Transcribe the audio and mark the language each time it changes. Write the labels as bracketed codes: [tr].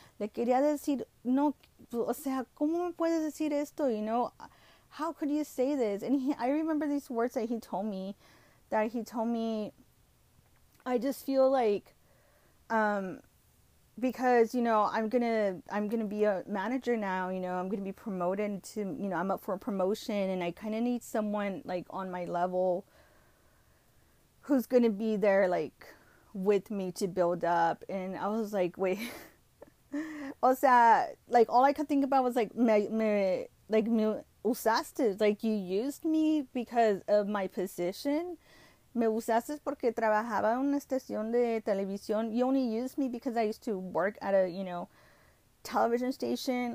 [es] Le quería decir, no, o sea, ¿cómo me puedes decir esto? [en] You know, how could you say this? And I remember these words that he told me, that he told me. I just feel like, because, you know, I'm gonna be a manager now, you know, I'm gonna be promoted to, you know, I'm up for a promotion, and I kind of need someone like on my level who's gonna be there like with me to build up. And I was like, wait. [es] O sea, [en] like all I could think about was like [es] me usaste, [en] like you used me because of my position. [es] Me usaste porque trabajaba en una estación de televisión. [en] You only used me because I used to work at a, you know, television station.